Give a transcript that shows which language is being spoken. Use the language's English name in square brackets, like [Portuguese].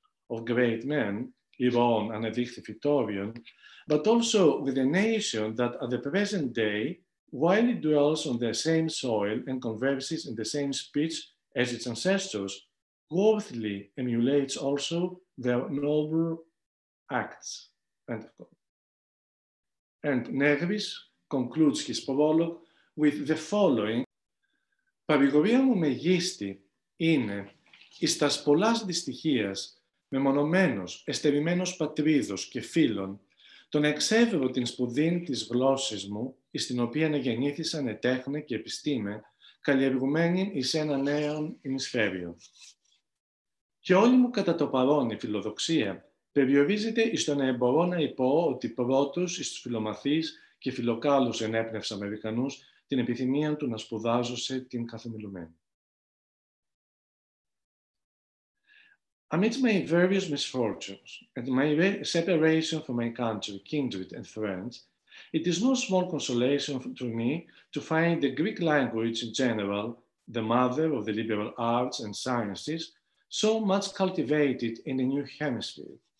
[English] of great men, [Greek] Ιρών ανεδείχθη φυτόριον, [English] but also with a nation that at the present day, while it dwells on the same soil and converses in the same speech as its ancestors, worthily emulates also their noble acts. End of quote. And Negris concludes his prologue with the following: [Greek] Παρηγορία μου μεγίστη είναι εις τας πολλάς δυστυχίας μεμονωμένος, εστερημένος πατρίδος και φίλων, τον εξεύρω την σπουδήν της γλώσσης μου, εις την οποία γεννήθησαν τέχνη και επιστήμη, καλλιεργουμένη εις ένα νέο ημισφαίριο. Και όλη μου κατά το παρόν η φιλοδοξία περιορίζεται εις το να εμπορώ να υπώ ότι πρώτος εις τους φιλομαθείς και φιλοκάλους ενέπνευσα Αμερικανούς την επιθυμία του να σπουδάζω σε την καθομιλουμένη. [English] Amidst my various misfortunes and my separation from my country, kindred, and friends, it is no small consolation to me to find the Greek language in general, the mother of the liberal arts and sciences, so much cultivated in the new hemisphere.